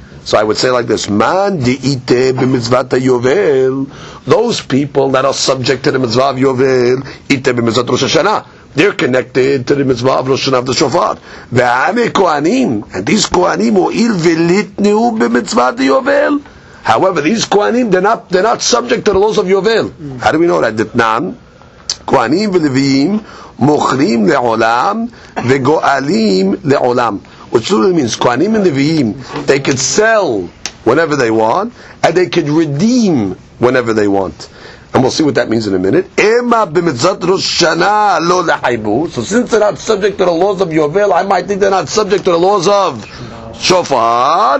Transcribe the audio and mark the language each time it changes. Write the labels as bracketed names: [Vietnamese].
[English] So I would say like this, [Aramaic] Man de'ite b'mitzvat ha-Yovel, [English] those people that are subject to the mitzvah of Yovel, [Aramaic] ite b'mitzvat Rosh Hashanah, [English] they're connected to the mitzvah of Rosh Hashanah of the Shofar. [Aramaic] Ve'ame kohanim, [English] and these kohanim [Aramaic] o'il v'litnu b'mitzvat ha-Yovel. [English] However, these kohanim, they're not subject to the laws of Yovel. How do we know that? [Hebrew] כהנים ולוויים מוכרים לעולם וגואלים לעולם. [English] Which literally means Kohanim and Leviim, they could sell whenever they want, and they could redeem whenever they want. And we'll see what that means in a minute. [Aramaic] Ema b'mitzvot Rosh Hashana lo lehaibu. [English] So since they're not subject to the laws of Yovel, I might think they're not subject to the laws of Shofar.